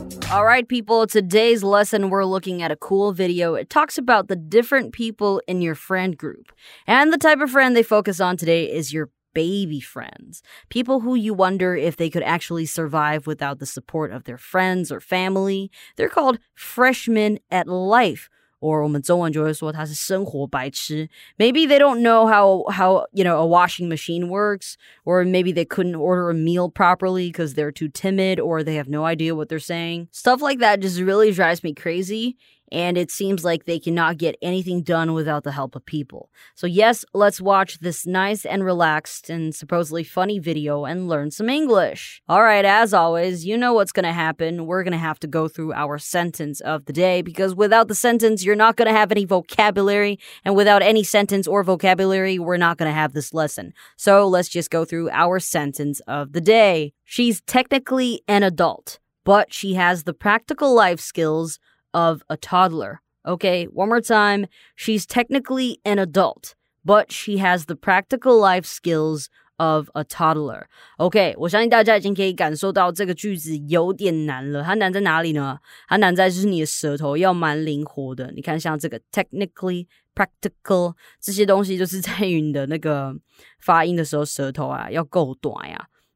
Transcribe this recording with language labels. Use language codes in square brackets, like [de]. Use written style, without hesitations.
[en] All right, people, today's lesson, we're looking at a cool video. It talks about the different people in your friend group. And the type of friend they focus on today is your baby friends. People who you wonder if they could actually survive without the support of their friends or family. They're called freshmen at life. [zh] Or 我们中文就会说他是生活白痴. [en] Maybe they don't know how you know, a washing machine works. Or maybe they couldn't order a meal properly because they're too timid or they have no idea what they're saying. Stuff like that just really drives me crazy. And it seems like they cannot get anything done without the help of people. So yes, let's watch this nice and relaxed and supposedly funny video and learn some English. All right, as always, you know what's going to happen. We're going to have to go through our sentence of the day because without the sentence, you're not going to have any vocabulary. And without any sentence or vocabulary, we're not going to have this lesson. So let's just go through our sentence of the day. She's technically an adult, but she has the practical life skills of a toddler. Okay, one more time. She's technically an adult, but she has the practical life skills of a toddler. [zh] Okay, 我相信大家已经可以感受到这个句子有点难了。它难在哪里呢？它难在就是你的舌头要蛮灵活的。你看，像这个 technically, practical 这些东西，就是在于你的那个发音的时候，舌头啊要够短呀。